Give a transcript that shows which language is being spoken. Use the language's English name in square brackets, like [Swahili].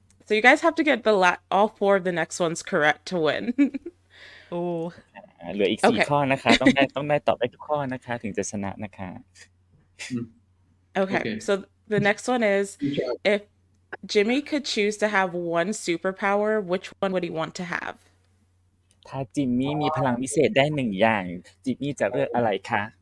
[English] So you guys have to get all 4 of the next ones correct to win. Oh. [Thai] เหลืออีก 4 ข้อนะคะต้องได้ตอบได้ทุกข้อนะคะถึงจะชนะนะคะ [English] Okay. So the next one is, if Jimmy could choose to have one superpower, which one would he want to have? [Thai] ถ้า Jimmy มีพลังพิเศษได้1อย่าง Jimmy จะเลือกอะไรคะ